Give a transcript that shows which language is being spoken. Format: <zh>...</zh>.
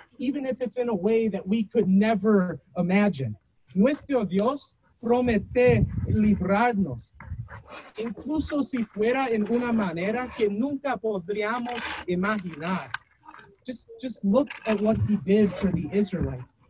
<en>even if it's in a way that we could never imagine.</en> <es>Nuestro Dios promete librarnos, incluso si fuera en una manera que nunca podríamos imaginar.</es> <en>Just look at what he did for the Israelites.</en>